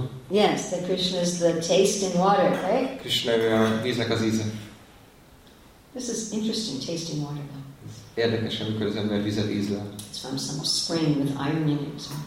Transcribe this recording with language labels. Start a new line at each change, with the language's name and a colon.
English: Yes, that Krishna is the taste in water, right?
Hungarian: Krishna ő a víznek az íze.
English: This is interesting, tasting water, though.
Hungarian: Érdekes, amikor az ember vizet ízlel.
English: It's from some spring with iron in it.